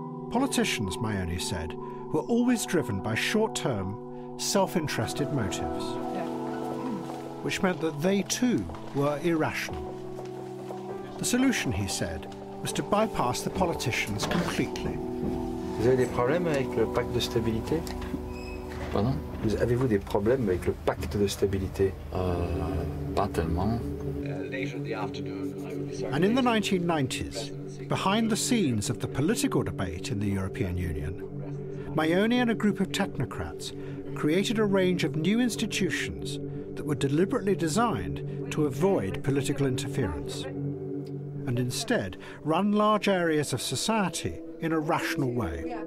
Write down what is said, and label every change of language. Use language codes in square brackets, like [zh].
[en] Politicians, Maione said, were always driven by short-term, self-interested motives, which meant that they too were irrational. The solution, he said, was to bypass the politicians completely. [fr] Vous avez des problèmes avec le pacte de stabilité? Pardon? Vous avez-vous des problèmes avec le pacte de stabilité? Pas tellement. [en] And in the 1990s, behind the scenes of the political debate in the European Union, Maione and a group of technocrats created a range of new institutions that were deliberately designed to avoid political interference and instead run large areas of society in a rational way.